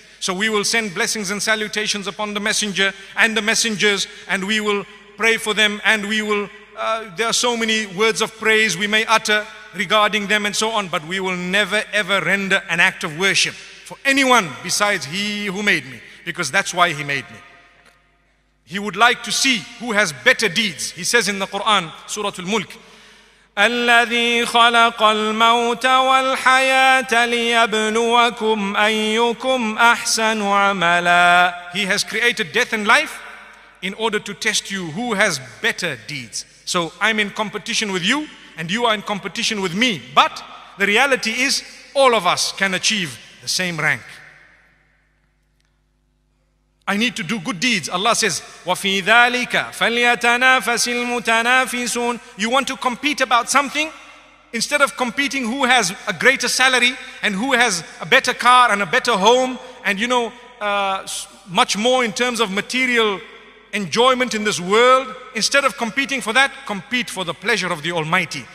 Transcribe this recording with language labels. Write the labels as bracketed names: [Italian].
[English] So we will send blessings and salutations upon the messenger and the messengers, and we will pray for them, and we will, there are so many words of praise we may utter regarding them and so on, but we will never ever render an act of worship for anyone besides He who made me, because that's why He made me. He would like to see who has better deeds. He says in the Quran, Surah Al-Mulk, [Arabic] الذي خلق الموت والحياة ليبلوكم أيكم أحسن عملا. [English] He has created death and life in order to test you who has better deeds. So I'm in competition with you and you are in competition with me. But the reality is all of us can achieve the same rank. I need to do good deeds. Allah says, [Arabic] وَفِي ذَٰلِكَ فَلْيَتَنَافَسِ الْمُتَنَافِسُونَ. [English] You want to compete about something? Instead of competing who has a greater salary and who has a better car and a better home and, you know, much more in terms of material enjoyment in this world, instead of competing for that, compete for the pleasure of the Almighty.